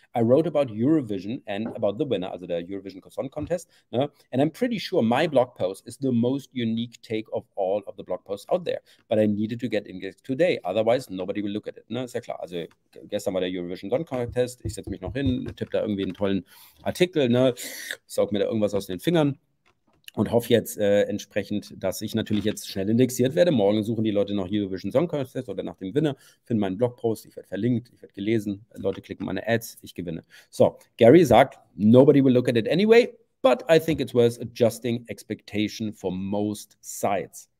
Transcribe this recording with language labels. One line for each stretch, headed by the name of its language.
English: I wrote about Eurovision and about the winner,
German: also der Eurovision Song Contest. Ne?
English: And I'm pretty sure my blog post is the most unique take of all of the blog posts out there. But I needed to get indexed today, otherwise nobody will look at it.
German: Ne? Ist ja klar, also gestern war der Eurovision Song Contest, ich setze mich noch hin, tippe da irgendwie einen tollen Artikel, ne? Saug mir da irgendwas aus den Fingern. Und hoffe jetzt entsprechend, dass ich natürlich jetzt schnell indexiert werde. Morgen suchen die Leute nach Eurovision Song Contest oder nach dem Winner, finden meinen Blogpost, ich werde verlinkt, ich werde gelesen, Leute klicken meine Ads, ich gewinne.
English: So,
German: Gary sagt,
English: nobody will look at it anyway, but I think it's worth adjusting expectation for most sites.